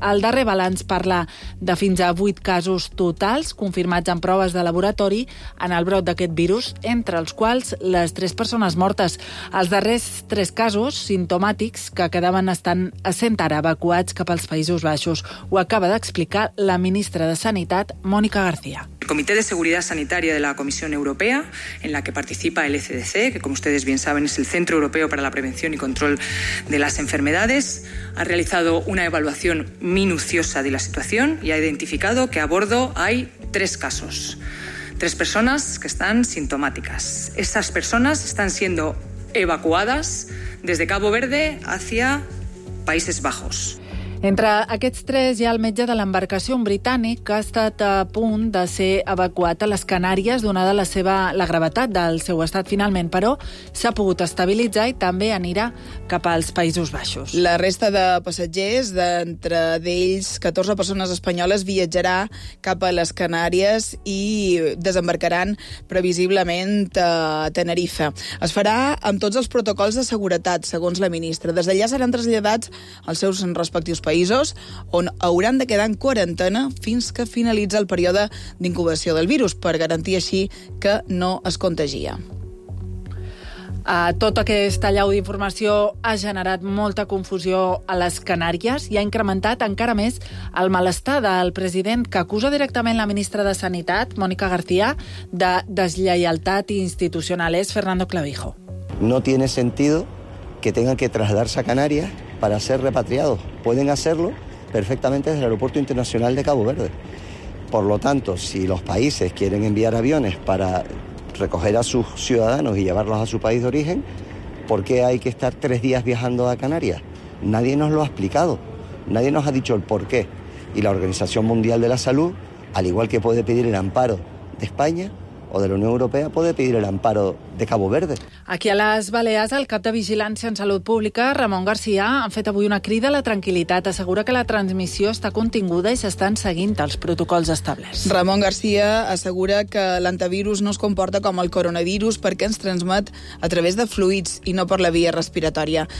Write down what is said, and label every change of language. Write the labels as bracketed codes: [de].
[ca] El darrer balanç parla de fins a 8 casos totals confirmats en proves de laboratori en el brot d'aquest virus, entre els quals les 3 persones mortes. Els darrers 3 casos simptomàtics que quedaven estan sent ara evacuats cap als Països Baixos. Ho acaba d'explicar la ministra de Sanitat, Mònica García. [es] El Comité de Seguridad Sanitaria de la Comisión Europea, en la que participa el ECDC, que como ustedes bien saben es el Centro Europeo para la Prevención y Control de las Enfermedades, ha realizado una evaluación minuciosa de la situación y ha identificado que a bordo hay 3 casos. 3 personas que están sintomáticas. Esas personas están siendo evacuadas desde Cabo Verde hacia Países Bajos. [ca] Entre aquests 3 hi ha el metge de l'embarcació, un britànic, que ha estat a punt de ser evacuat a les Canàries, donada la gravetat del seu estat finalment, però s'ha pogut estabilitzar i també anirà cap als Països Baixos. La resta de passatgers, d'entre d'ells 14 persones espanyoles, viatjarà cap a les Canàries i desembarcaran previsiblement a Tenerife. Es farà amb tots els protocols de seguretat, segons la ministra. Des d'allà seran traslladats als seus respectius països, on hauran de quedar en quarantena fins que finalitza el període d'incubació del virus, per garantir així que no es contagia. Tot aquest allau d'informació ha generat molta confusió a les Canàries i ha incrementat encara més el malestar del president, que acusa directament la ministra de Sanitat, Mònica García, de deslleialtat institucional. És Fernando Clavijo. [es] No tiene sentido que tengan que trasladarse a Canarias para ser repatriados. Pueden hacerlo perfectamente desde el Aeropuerto Internacional de Cabo Verde. Por lo tanto, si los países quieren enviar aviones para recoger a sus ciudadanos y llevarlos a su país de origen, ¿por qué hay que estar 3 días viajando a Canarias? Nadie nos lo ha explicado, nadie nos ha dicho el por qué. Y la Organización Mundial de la Salud, al igual que puede pedir el amparo de España, o de la Unió Europea puede pedir el amparo de Cabo Verde. [ca] Aquí a les Balears, el cap de Vigilància en Salut Pública, Ramon García, han fet avui una crida a la tranquil·litat. Assegura que la transmissió està continguda i s'estan seguint els protocols establerts. Ramon García assegura que l'antivirus no es comporta com el coronavirus perquè ens transmet a través de fluids i no per la via respiratòria.